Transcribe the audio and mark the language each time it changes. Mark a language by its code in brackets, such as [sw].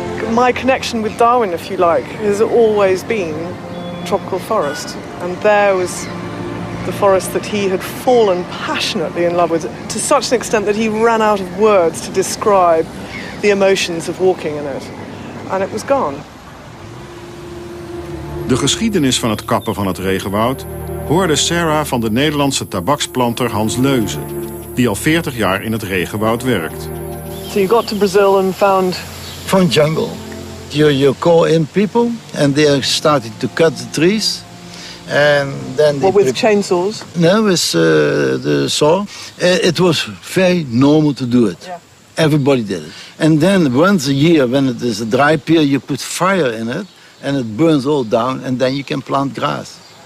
[en] My connection with Darwin, if you like, has always been tropical forest. And there was the forest that he had fallen passionately in love with, to such an extent that he ran out of words to describe the emotions of walking in it. And it was gone. [nl] De geschiedenis van het kappen van het regenwoud hoorde Sarah van de Nederlandse tabaksplanter Hans Leuze, die al 40 jaar in het regenwoud werkt. [en] So you got to Brazil and found jungle. You call in people and they are starting to cut the trees, and then what, with chainsaws? No, with the saw. It was very normal to do it. Yeah. Everybody did it. And then once a year, when it is a dry period, you put fire in it and it burns all down, and then you can plant grass.